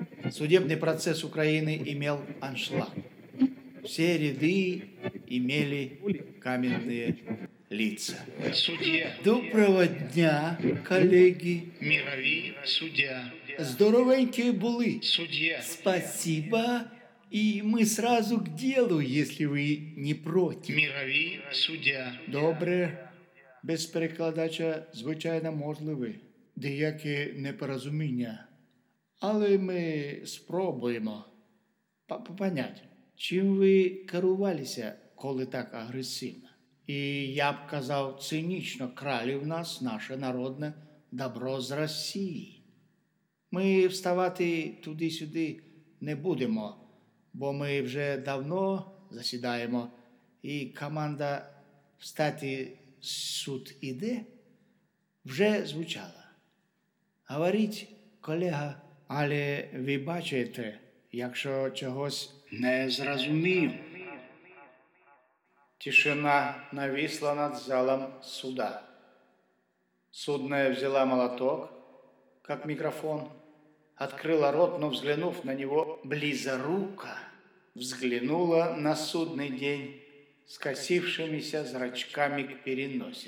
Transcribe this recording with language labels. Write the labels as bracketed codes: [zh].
[ru] Судебный процесс Украины имел аншлаг. Все ряды имели каменные лица. Судья. Доброго дня, коллеги. Мировой судья. Здоровенькие були. Судья. Спасибо. И мы сразу к делу, если вы не против. Мировой судья. [uk] Добре. Без перекладача, звичайно, можливі деякі непорозуміння. Але ми спробуємо поняти, чим ви керувалися, коли так агресивно. І я б казав, цинічно крали в нас наше народне добро з Росії. Ми вставати туди-сюди не будемо, бо ми вже давно засідаємо, і команда «Встати суд іде» вже звучала. Говоріть, колега, але ви бачите, якщо чогось не зрозумію. [ru] Тишина нависла над залом суда. Судна взяла молоток, как микрофон, открыла рот, но, взглянув на него близоруко, взглянула на судный день скосившимися зрачками к переносице.